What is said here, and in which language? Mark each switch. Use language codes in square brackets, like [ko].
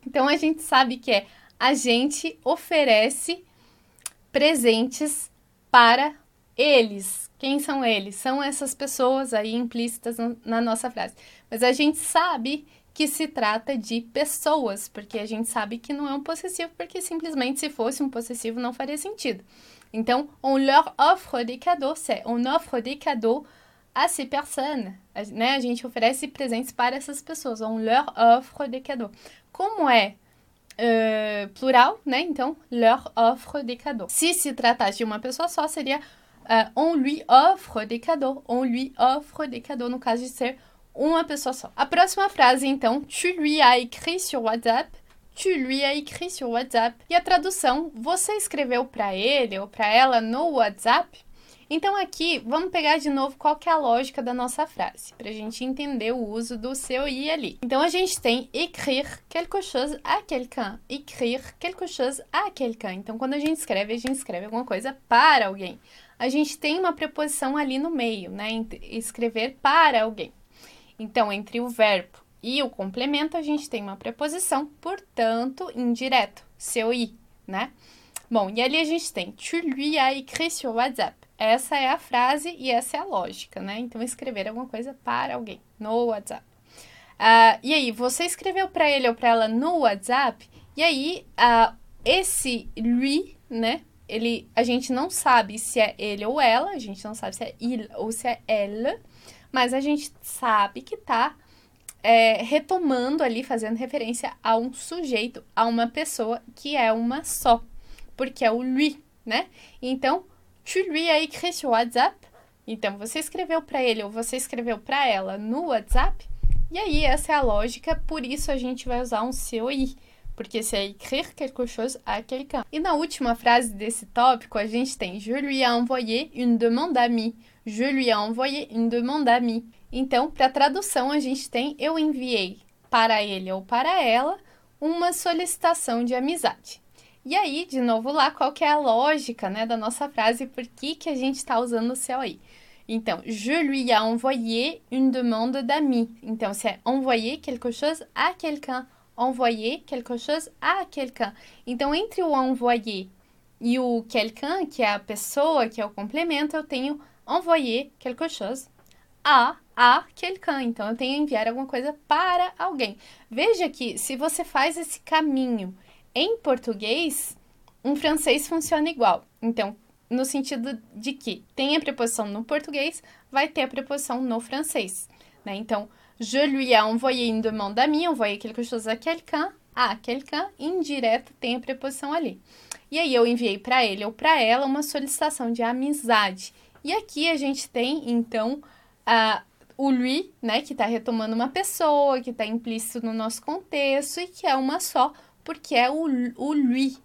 [pt] Então a gente sabe que é a gente oferece presentes para eles. Quem são eles? São essas pessoas aí implícitas na nossa frase. Mas a gente sabe que se trata de pessoas, porque a gente sabe que não é um possessivo, porque simplesmente se fosse um possessivo não faria sentido. [fr] Então, on leur offre des cadeaux, c'est on offre des cadeaux à ces personnes. [pt] Né? A gente oferece presentes para essas pessoas. [fr] On leur offre des cadeaux. [pt] Como é plural, né? Então, [fr] leur offre des cadeaux. [pt] Se se tratasse de uma pessoa só, seria [fr] on lui offre des cadeaux. On lui offre des cadeaux, [pt] no caso de ser uma pessoa só. A próxima frase, então, [fr] tu lui as écrit sur WhatsApp. Tu lui as écrit sur WhatsApp. [pt] E a tradução, você escreveu para ele ou para ela no WhatsApp? Então, aqui, vamos pegar de novo qual que é a lógica da nossa frase, para a gente entender o uso do seu i ali. Então, a gente tem [fr] écrire quelque chose à quelqu'un. Écrire quelque chose à quelqu'un. [pt] Então, quando a gente escreve alguma coisa para alguém. A gente tem uma preposição ali no meio, né? Escrever para alguém. Então, entre o verbo e o complemento, a gente tem uma preposição, portanto, indireto, seu i, né? Bom, e ali a gente tem [fr] tu lui as écrit sur WhatsApp. [pt] Essa é a frase e essa é a lógica, né? Então, escrever alguma coisa para alguém no WhatsApp. E aí, você escreveu para ele ou para ela no WhatsApp? E aí, esse lui, né? A gente não sabe se é ele ou ela, a gente não sabe se é il ou se é elle, mas a gente sabe que tá retomando ali, fazendo referência a um sujeito, a uma pessoa que é uma só, porque é o lui, né? Então, [fr] tu lui as écrit sur WhatsApp, [pt] então você escreveu para ele ou você escreveu para ela no WhatsApp, e aí essa é a lógica, por isso a gente vai usar um seu i. Porque se é [fr] écrire quelque chose à quelqu'un. [pt] E na última frase desse tópico, a gente tem [fr] Je lui ai envoyé une demande d'amis. Je lui ai envoyé une demande d'amis. [pt] Então, para tradução, a gente tem Eu enviei para ele ou para ela uma solicitação de amizade. E aí, de novo lá, qual que é a lógica, né, da nossa frase? Por que que a gente está usando o seu aí? [fr] Então, je lui ai envoyé une demande d'amis. [pt] Então, se é [fr] envoyer quelque chose à quelqu'un. Envoyer quelque chose à quelqu'un. [pt] Então, entre o envoyer e o quelqu'un, que é a pessoa, que é o complemento, eu tenho [fr] envoyer quelque chose à quelqu'un. [pt] Então, eu tenho enviar alguma coisa para alguém. Veja que se você faz esse caminho em português, em francês funciona igual. Então, no sentido de que tem a preposição no português, vai ter a preposição no francês, né? [fr] Então, je lui ai envoyé une demande d'amis, envoyé quelque chose à quelqu'un. À quelqu'un, [pt] indireto, tem a preposição ali. E aí eu enviei para ele ou para ela uma solicitação de amizade. E aqui a gente tem, então, o lui, né, que está retomando uma pessoa, que está implícito no nosso contexto e que é uma só, porque é o lui.